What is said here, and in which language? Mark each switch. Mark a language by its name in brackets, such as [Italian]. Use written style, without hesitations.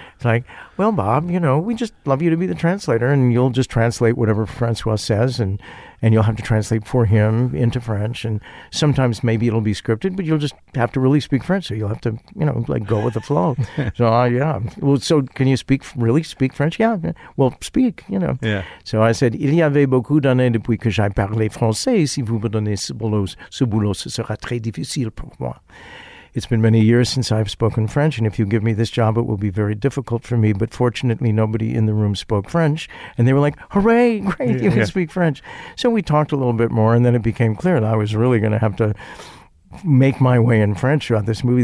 [English] It's like, well, Bob, you know, we just love you to be the translator, and you'll just translate whatever Francois says, and you'll have to translate for him into French. And sometimes maybe it'll be scripted, but you'll just have to really speak French. So you'll have to, you know, like go with the flow. So, well, so can you really speak French? Yeah. Well, speak, you know. Yeah. [French] So I said, il y avait beaucoup d'années depuis que j'ai parlé français. Si vous me donnez ce boulot, ce sera très difficile pour moi. [English] It's been many years since I've spoken French, and if you give me this job, it will be very difficult for me. But fortunately, nobody in the room spoke French. And they were like, hooray, great, you can speak French. So we talked a little bit more, and then it became clear that I was really going to have to make my way in French throughout this movie.